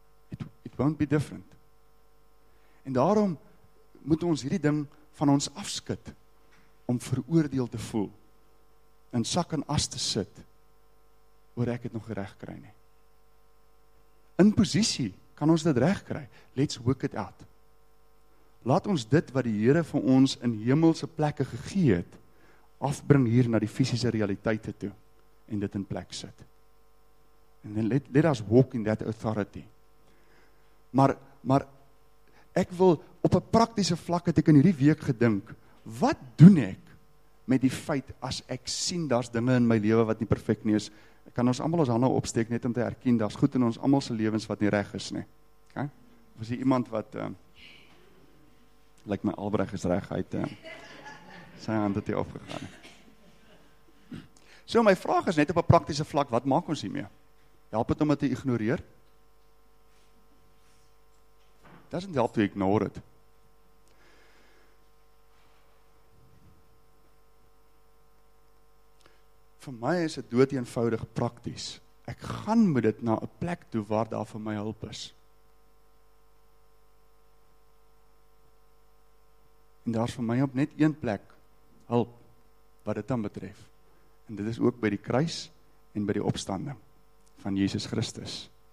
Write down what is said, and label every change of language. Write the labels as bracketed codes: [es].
[en] It won't be different. [af] En daarom moet ons hierdie ding van ons afskud, om veroordeel te voel, in sak en as te sit, oor ek het nog reg kry nie. In posisie kan ons dit reg kry. [en] Let's work it out. [af] Laat ons dit wat die Here vir ons in hemelse plekke gegee het, afbring hier na die fisiese realiteite toe, en dit in plek sit. [en] And then let us walk in that authority. [af] Maar ek wil op 'n praktiese vlak het ek in hierdie week gedink, wat doen ek met die feit as ek sien daar's dinge in my lewe wat nie perfek nie is? Ek kan ons almal ons hande opsteek net om te erken daar's goed in ons almal se lewens wat nie reg is nie. Okay? Of is hier iemand wat lyk my Albrecht is reg, hy het sy hand het hier opgegaan. So my vraag is net op 'n praktiese vlak, wat maak ons hiermee? Help het om het te ignoreer? [en] Doesn't help to ignore it. [af] Vir my is het dood eenvoudig prakties. Ek gaan met dit na 'n plek toe waar daar vir my hulp is. En daar is vir my op net een plek hulp wat dit dan betref. En dit is ook by die kruis en by die opstanding van Jesus Christus.